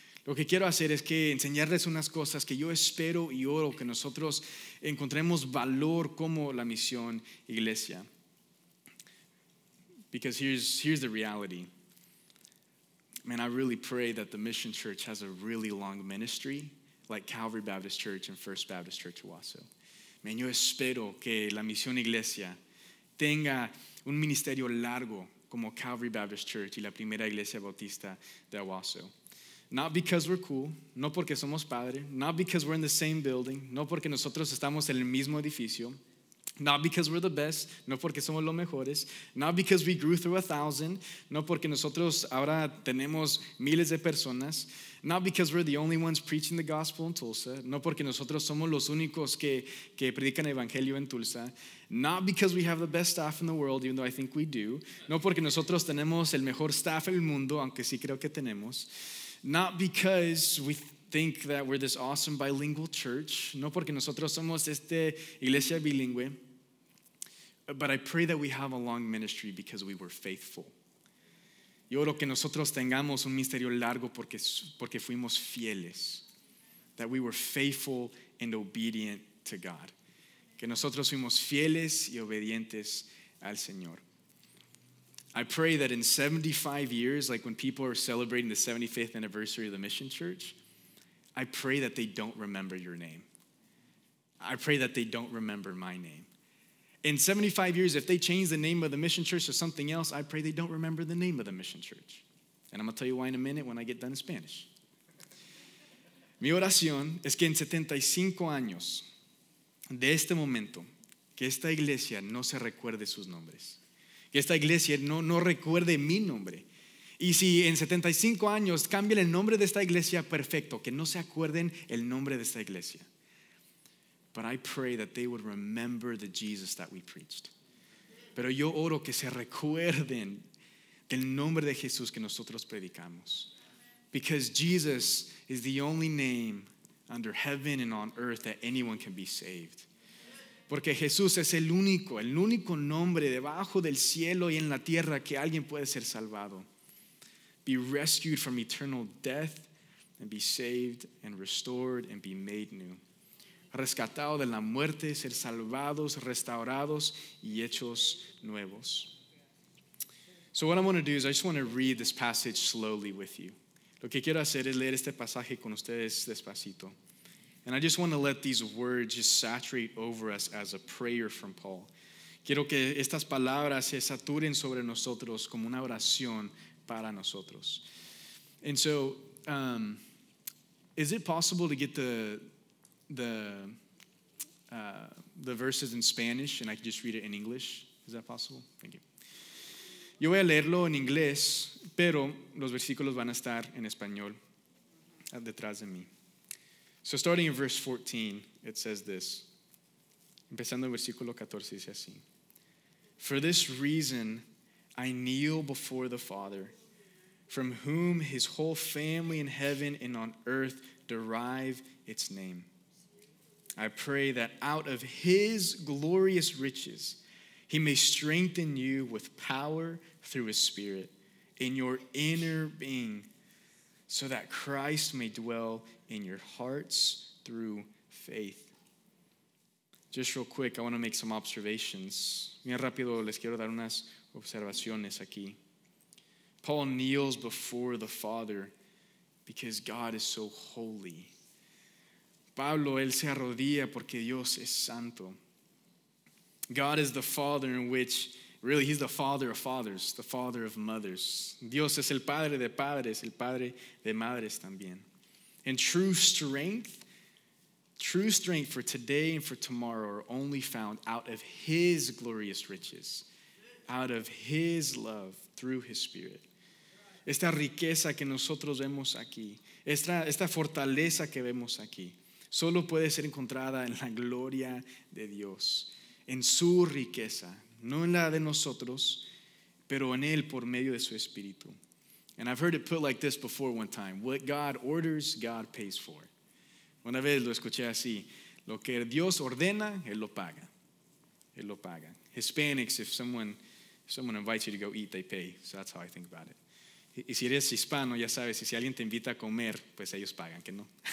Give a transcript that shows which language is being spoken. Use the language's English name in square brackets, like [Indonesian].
[Spanish] Lo que quiero hacer es que enseñarles unas cosas que yo espero y oro que nosotros encontremos valor como la misión iglesia. [English] Because here's the reality. Man, I really pray that the Mission Church has a really long ministry like Calvary Baptist Church and First Baptist Church Owosso. [Spanish] Man, yo espero que la Misión Iglesia tenga un ministerio largo como Calvary Baptist Church y la Primera Iglesia Bautista de Owosso. [English] Not because we're cool, [Spanish] no porque somos padre, [English] not because we're in the same building, [Spanish] no porque nosotros estamos en el mismo edificio, [English] not because we're the best, [Spanish] no porque somos los mejores. [English] Not because we grew through 1,000, [Spanish] no porque nosotros ahora tenemos miles de personas. [English] Not because we're the only ones preaching the gospel in Tulsa, [Spanish] no porque nosotros somos los únicos que predican el evangelio en Tulsa. [English] Not because we have the best staff in the world, even though I think we do. [Spanish] No porque nosotros tenemos el mejor staff en el mundo, aunque sí creo que tenemos. [English] Not because we think that we're this awesome bilingual church, [Spanish] no porque nosotros somos esta iglesia bilingüe, [English] but I pray that we have a long ministry because we were faithful. [Spanish] Yo oro que nosotros tengamos un ministerio largo porque fuimos fieles, [English] that we were faithful and obedient to God, [Spanish] que nosotros fuimos fieles y obedientes al Señor. [English] I pray that in 75 years, like when people are celebrating the 75th anniversary of the Mission Church, I pray that they don't remember your name. I pray that they don't remember my name. In 75 years, if they change the name of the Mission Church to something else, I pray they don't remember the name of the Mission Church. And I'm going to tell you why in a minute when I get done in Spanish. [Spanish] Mi oración es que en 75 años de este momento, que esta iglesia no se recuerde sus nombres. Que esta iglesia no recuerde mi nombre. Y si en 75 años cambian el nombre de esta iglesia, perfecto. Que no se acuerden el nombre de esta iglesia. [English] But I pray that they would remember the Jesus that we preached. [Spanish] Pero yo oro que se recuerden del nombre de Jesús que nosotros predicamos. [English] Because Jesus is the only name under heaven and on earth that anyone can be saved. [Spanish] Porque Jesús es el único nombre debajo del cielo y en la tierra que alguien puede ser salvado. [English] Be rescued from eternal death and be saved and restored and be made new. [Spanish] Rescatado de la muerte, ser salvados, restaurados y hechos nuevos. [English] So what I want to do is I just want to read this passage slowly with you. [Spanish] Lo que quiero hacer es leer este pasaje con ustedes despacito. [English] And I just want to let these words just saturate over us as a prayer from Paul. [Spanish] Quiero que estas palabras se saturen sobre nosotros como una oración para nosotros. [English] And so, is it possible to get the verses in Spanish and I can just read it in English? Is that possible? Thank you. [Spanish] Yo voy a leerlo en inglés, pero los versículos van a estar en español detrás de mí. [English] So starting in verse 14, it says this. [Spanish] Empezando en versículo 14, dice así. [English] For this reason, I kneel before the Father, from whom his whole family in heaven and on earth derive its name. I pray that out of his glorious riches, he may strengthen you with power through his Spirit in your inner being, so that Christ may dwell in your hearts through faith. Just real quick, I want to make some observations. [Spanish] Bien rápido, les quiero dar unas observaciones aquí. [English] Paul kneels before the Father because God is so holy. [Spanish] Pablo, él se arrodilla porque Dios es santo. [English] God is the Father in which, really, he's the Father of fathers, the Father of mothers. [Spanish] Dios es el Padre de padres, el Padre de madres también. [English] And true strength for today and for tomorrow are only found out of his glorious riches, out of his love through his Spirit. [Spanish] Esta riqueza que nosotros vemos aquí, esta fortaleza que vemos aquí, solo puede ser encontrada en la gloria de Dios, en su riqueza, no en la de nosotros, pero en él por medio de su Espíritu. [English] And I've heard it put like this before one time. What God orders, God pays for. [Spanish] Una vez lo escuché así. Lo que Dios ordena, Él lo paga. Él lo paga. [English] Hispanics, if someone invites you to go eat, they pay. So that's how I think about it. [Spanish] Y si eres hispano, ya sabes, y si alguien te invita a comer, pues ellos pagan, ¿que no?